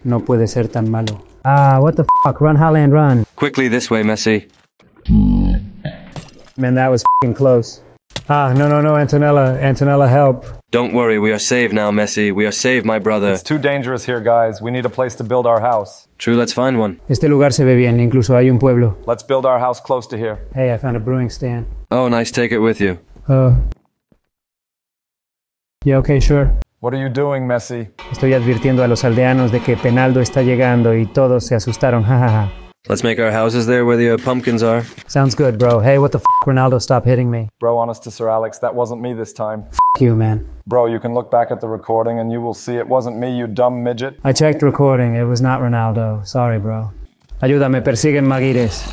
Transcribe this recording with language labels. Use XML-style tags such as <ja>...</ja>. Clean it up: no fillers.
<es>No puede ser tan malo.</es> <en>Ah, what the fuck? Run, Haaland, run. Quickly this way, Messi. Man, that was fucking close. Ah, no, no, no, Antonella. Antonella, help. Don't worry, we are saved now, Messi. We are saved, my brother. It's too dangerous here, guys. We need a place to build our house. True, let's find one.</en> <es>Este lugar se ve bien, incluso hay un pueblo.</es> <en>Let's build our house close to here. Hey, I found a brewing stand. Oh, nice, take it with you. Yeah, okay, sure. What are you doing, Messi?</en> <es>Estoy advirtiendo a los aldeanos de que Penaldo está llegando y todos se asustaron, jajaja.</es> <en>Let's make our houses there where the pumpkins are. Sounds good, bro. Hey, what the f***, Ronaldo, stop hitting me. Bro, honest to Sir Alex, that wasn't me this time. F*** you, man. Bro, you can look back at the recording and you will see it wasn't me, you dumb midget. I checked recording, it was not Ronaldo. Sorry, bro.</en> <es>Ayúdame, persiguen Maguires.</es>